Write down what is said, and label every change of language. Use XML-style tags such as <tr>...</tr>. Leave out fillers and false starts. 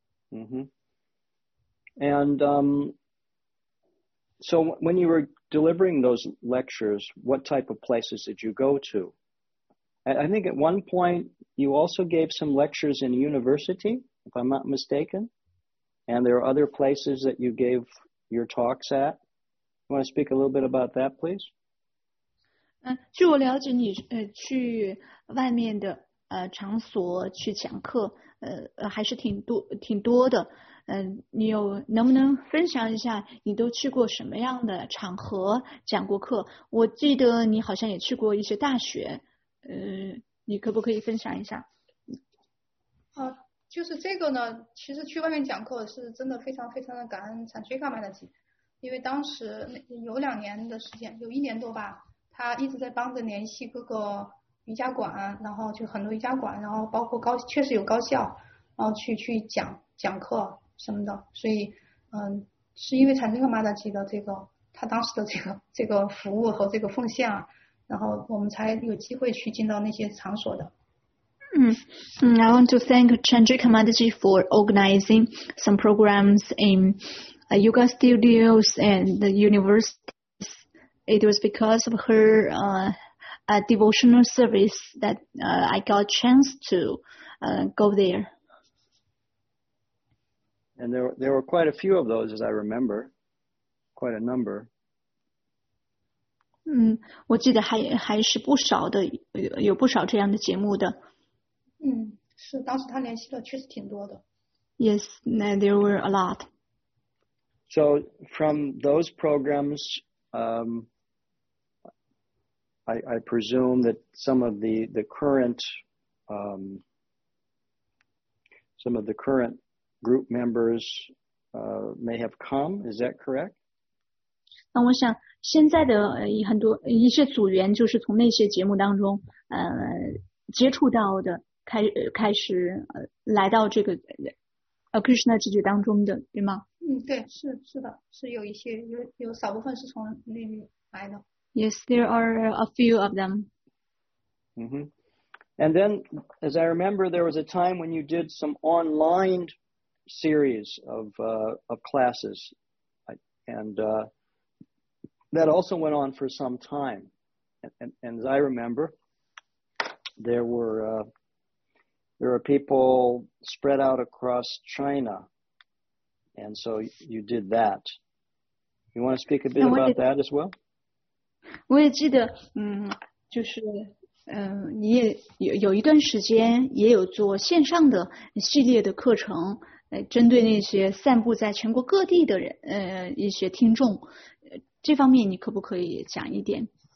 <en>嗯哼 ，And so when you were delivering those lectures, what type of places did you go to? I think at one point you also gave some lectures in university, if I'm not mistaken. And there are other places that you gave your talks at. You want to speak a little bit about that, please?</en> <zh>据我了解你去外面的场所去讲课还是挺多的。你有能不能分享一下你都去过什么样的场合讲过课？我记得你好像也去过一些大学，你可不可以分享一下？就是这个呢，其实去外面讲课是真的非常非常的感恩产学干嘛的机，因为当时有两年的时间，有一年多吧，他一直在帮着联系各个瑜伽馆，然后就很多瑜伽馆，然后包括确实有高校，然后去讲课。什么的，所以是因为产经和马达基的这个他当时的这个服务和这个奉献啊，然后我们才有机会去进到那些场所的。</zh> <en>I want to thank Chandrika Madhaji for organizing some programs in yoga studios and the universities. It was because of her devotional service that I got a chance to go there. And there were quite a few of those, as I remember, quite a number.</en> <zh>我记得还是不少的，有不少这样的节目的。是，当时他联系的确实挺多的。</zh> <en>Yes, there were a lot. So from those programs, I presume that some of the current, some of the current. Group members may have come. Is that correct?</en> <zh>那我想现在的很多一些组员就是从那些节目当中接触到的开始来到这个Krishna 记忆当中的，对吗？嗯，对，是的，是有一些有少部分是从那里来的。</zh> <en>Yes, there are a few of them. Mm-hmm. And then, as I remember, there was a time when you did some online series of classes, and that also went on for some time. And as I remember, there were people spread out across China, and so you did that. You want to speak a bit about that as well?</en> <zh>我也记得，就是，你也有一段时间也有做线上的系列的课程，针对那些散布在全国各地的人，一些听众，这方面你可不可以讲一点？</zh>